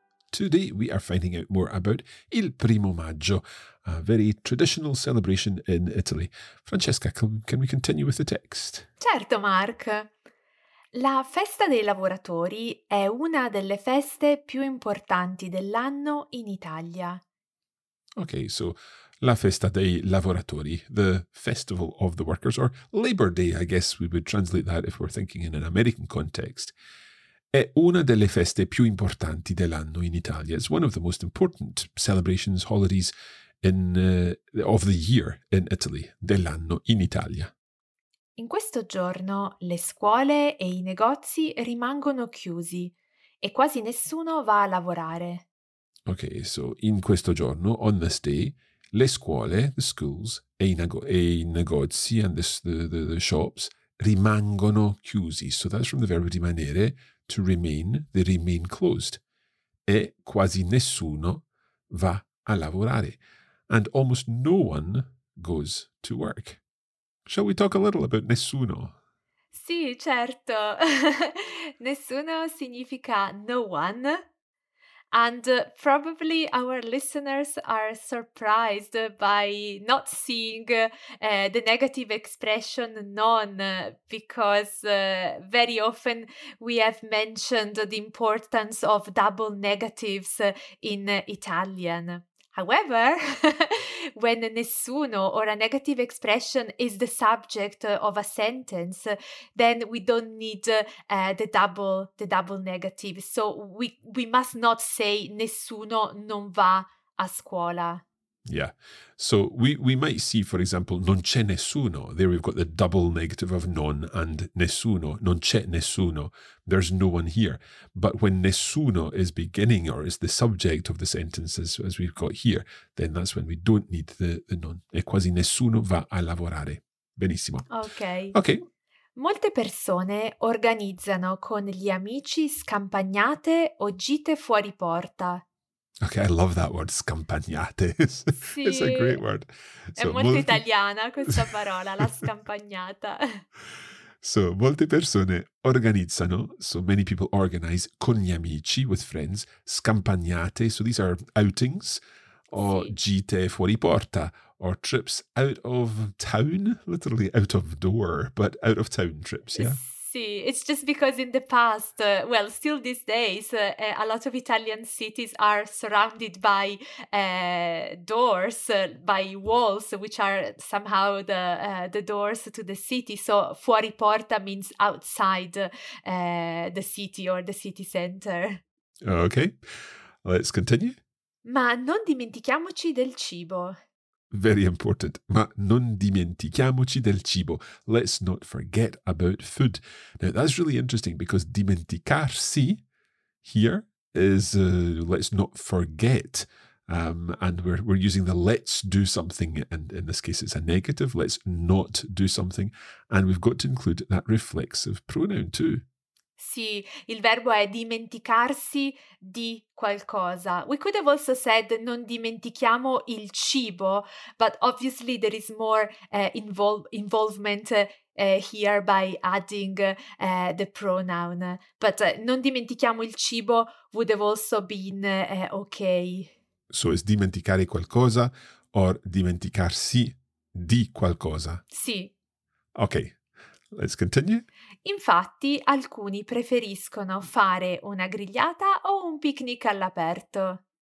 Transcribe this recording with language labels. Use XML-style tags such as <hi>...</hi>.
<en>Today we are finding out more about il primo maggio, a very traditional celebration in Italy. Francesca, can we continue with the text?</en> <it>Certo, Mark. La festa dei lavoratori è una delle feste più importanti dell'anno in Italia.</it> <en>Okay, so</en> <it>la festa dei lavoratori,</it> <en>the festival of the workers, or Labor Day, I guess we would translate that if we're thinking in an American context.</en> <it>È una delle feste più importanti dell'anno in Italia.</it> <en>It's one of the most important celebrations, holidays of the year in Italy,</en> <it>dell'anno in Italia. In questo giorno le scuole e i negozi rimangono chiusi e quasi nessuno va a lavorare.</it> <en>Ok, so</en> <it>in questo giorno,</it> <en>on this day,</en> <it>le scuole,</it> <en>the schools,</en> <it>e i negozi,</it> <en>and the shops,</en> <it>rimangono chiusi.</it> <en>So that's from the verb rimanere, to remain, they remain closed.</en> <it>E quasi nessuno va a lavorare.</it> <en>And almost no one goes to work. Shall we talk a little about nessuno?</en> <it>Sì, certo. Nessuno significa</it> <en>no one. And probably our listeners are surprised by not seeing the negative expression none, because very often we have mentioned the importance of double negatives in Italian. However, when nessuno or a negative expression is the subject of a sentence, then we don't need the double negative. So we must not say</en> <it>nessuno non va a scuola.</it> <en>Yeah. So we might see, for example,</en> <it>non c'è nessuno.</it> <en>There we've got the double negative of non and nessuno.</en> <it>Non c'è nessuno.</it> <en>There's no one here. But when nessuno is beginning or is the subject of the sentence, as we've got here, then that's when we don't need the non.</en> <it>E quasi nessuno va a lavorare. Benissimo.</it> <en>Okay. Okay.</en> <it>Molte persone organizzano con gli amici scampagnate o gite fuori porta.</it> <en>Okay, I love that word, scampagnate.</en> <it>Sì,</it> <en>it's a great word.</en> <it>So, è molto italiana questa parola, la scampagnata.</it> <en>So,</en> <it>molte persone organizzano,</it> <en>so many people organize,</en> <it>con gli amici,</it> <en>with friends, scampagnate. So these are outings, or</en> <it>sì, gite fuori porta,</it> <en>or trips out of town, literally out of door, but out of town trips, yeah? See, it's just because in the past, well, still these days, a lot of Italian cities are surrounded by doors, by walls, which are somehow the doors to the city. So</en> <it>fuori porta</it> <en>means outside the city or the city center. Okay, let's continue.</en> <it>Ma non dimentichiamoci del cibo.</it> <en>Very important.</en> <it>Ma non dimentichiamoci del cibo.</it> <en>Let's not forget about food. Now, that's really interesting because dimenticarsi here is let's not forget. And we're using the let's do something. And in this case, it's a negative. Let's not do something. And we've got to include that reflexive pronoun too.</en> <it>Sì, il verbo è dimenticarsi di qualcosa.</it> <en>We could have also said</en> <it>non dimentichiamo il cibo,</it> <en>but obviously there is more involvement here by adding the pronoun. But</en> <it>non dimentichiamo il cibo</it> <en>would have also been okay. So it's</en> <it>dimenticare qualcosa</it> <en>or</en> <it>dimenticarsi di qualcosa. Sì.</it> <en>Okay. Let's continue.</en> <it>Infatti, alcuni preferiscono fare una grigliata o un picnic all'aperto.</it>